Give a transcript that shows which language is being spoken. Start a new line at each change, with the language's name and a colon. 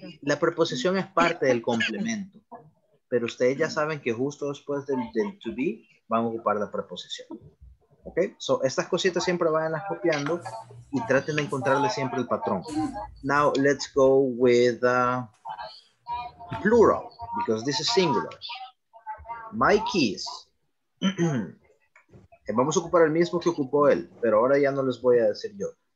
Spanish: La preposición es parte del complemento, pero ustedes ya saben que justo después del to be van a ocupar la preposición. Ok, so estas cositas siempre vayanlas copiando y traten de encontrarle siempre el patrón.
English: Now let's go with plural, because this is singular. My keys.
Spanish: Vamos a ocupar el mismo que ocupó él, pero ahora ya no les voy a decir yo.